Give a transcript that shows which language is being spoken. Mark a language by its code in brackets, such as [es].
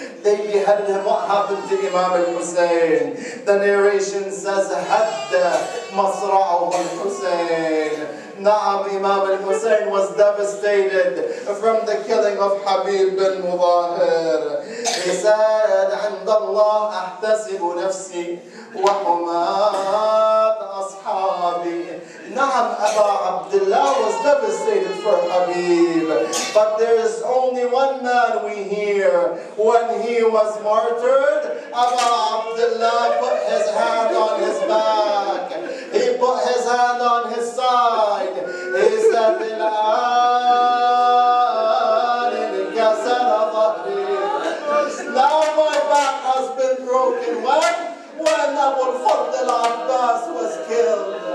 [en] they beheaded him. What happened to Imam al-Hussein? The narration says, Hadda Masra'u al-Hussein. Na'am, Imam al-Hussein was devastated from the killing of Habib bin Mudahir. He said, [ar] عِنْدَ اللَّهِ أَحْتَسِبُ نَفْسِي وَحُمَاتَ أَصْحَابِي. [en] Na'am, Aba Abdullah was devastated for Habib. But there is only one man we hear. When he was martyred, Aba Abdullah put his hand on his back. He put his hand on his side. He said, [ar] الآن انكسر ظهري. [en] Now my back has been broken. When Abu al-Fadl Abbas was killed.